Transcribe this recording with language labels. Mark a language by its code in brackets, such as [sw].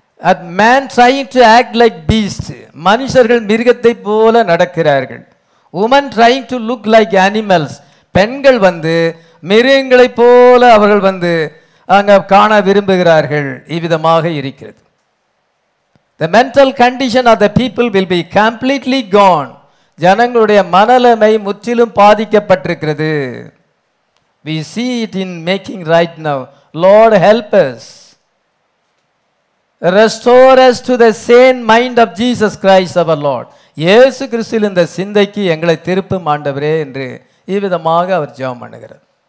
[en] At man trying to act like beast, [ta] மனுஷர்கள் மிருகத்தை போல நடக்கிறார்கள். [en] Woman trying to look like animals, [ta] பெண்கள் வந்து மிருகங்களைப் போல அவர்கள் வந்து அங்கே காண விரும்புகிறார்கள். இவ்விதமாக இருக்கிறது. [en] The mental condition of the people will be completely gone. [ta] ஜனங்களுடைய மனநிலைமை முற்றிலும் பாதிக்கப்பட்டிருக்கிறது. [en] We see it in making right now. Lord help us. Restore us to the same mind of Jesus Christ our Lord. [ta] இயேசு கிறிஸ்துவில் இந்த சிந்தைக்கு எங்களை திருப்பு மாண்டவரே என்று இவ்விதமாக அவர் ஜெபம் பண்ணுகிறார்.